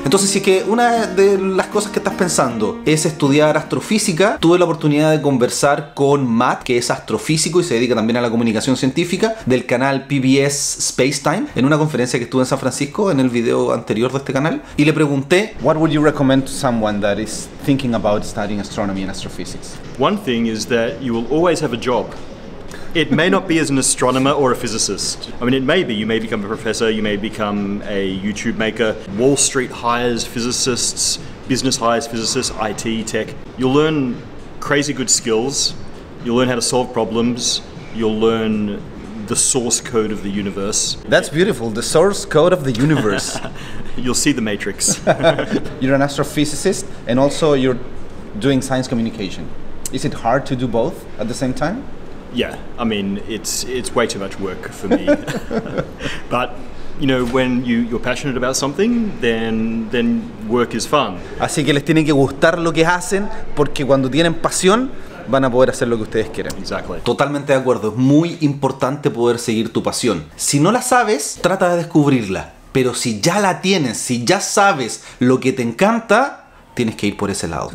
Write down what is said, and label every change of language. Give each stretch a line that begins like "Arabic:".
Spanish: Entonces, si es que una de las cosas que estás pensando es estudiar astrofísica, tuve la oportunidad de conversar con Matt, que es astrofísico y se dedica también a la comunicación científica, del canal PBS Spacetime, en una conferencia que estuve en San Francisco, en el video anterior de este canal, y le pregunté,
English: what would you recommend to someone that is thinking about studying astronomy and astrophysics? One thing is that you will always have a job. It may not be as an astronomer or a physicist. I mean, it may be. You may become a professor, you may become a YouTube maker. Wall Street hires physicists, business hires physicists, IT, tech. You'll learn crazy good skills. You'll learn how to solve problems. You'll learn the source code of the universe. That's beautiful, the source code of the universe. You'll see the matrix. You're an astrophysicist and also you're doing science communication. Is it hard to do both at the same time? Yeah, I mean, it's way too much work for me. But, you know, when you're passionate about something, then work is fun.
Spanish: Así que les tienen que gustar lo que hacen, porque cuando tienen pasión, van a poder hacer lo que ustedes quieren.
English: Exactly.
Spanish: Totalmente de acuerdo. Es muy importante poder seguir tu pasión. Si no la sabes, trata de descubrirla. Pero si ya la tienes, si ya sabes lo que te encanta, tienes que ir por ese lado.